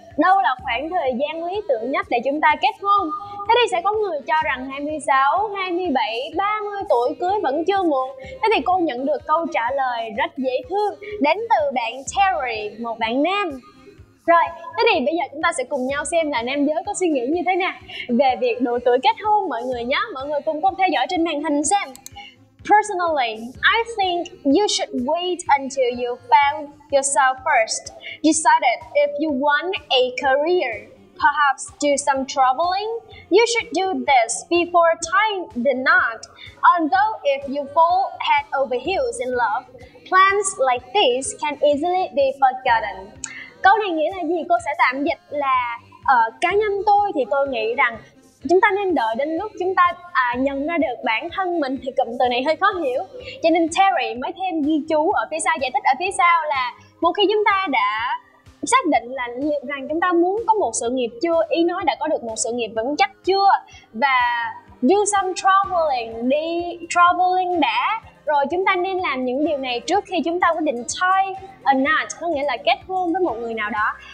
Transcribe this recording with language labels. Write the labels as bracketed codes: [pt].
[vi] đâu là khoảng thời gian lý tưởng nhất để chúng ta kết hôn. Thế thì sẽ có người cho rằng 26, 27, 30 tuổi cưới vẫn chưa muộn. Thế thì cô nhận được câu trả lời rất dễ thương đến từ bạn Terry, một bạn nam. Rồi, thế thì bây giờ chúng ta sẽ cùng nhau xem là nam giới có suy nghĩ như thế nào về việc độ tuổi kết hôn mọi người nhé. Mọi người cùng cô theo dõi trên màn hình xem. [en] Personally, I think you should wait until you found yourself first, decided if you want a career, perhaps do some traveling. You should do this before tying the knot. Although if you fall head over heels in love, plans like this can easily be forgotten. [vi] Câu này nghĩa là gì? Cô sẽ tạm dịch là cá nhân tôi thì tôi nghĩ rằng chúng ta nên đợi đến lúc chúng ta nhận ra được bản thân mình, thì cụm từ này hơi khó hiểu. Cho nên Terry mới thêm ghi chú ở phía sau, giải thích ở phía sau là một khi chúng ta đã xác định là liệu rằng chúng ta muốn có một sự nghiệp chưa, ý nói đã có được một sự nghiệp vững chắc chưa, và [en] do some traveling, [vi] đi traveling đã, rồi chúng ta nên làm những điều này trước khi chúng ta quyết định [en] tie a knot, [vi] có nghĩa là kết hôn với một người nào đó.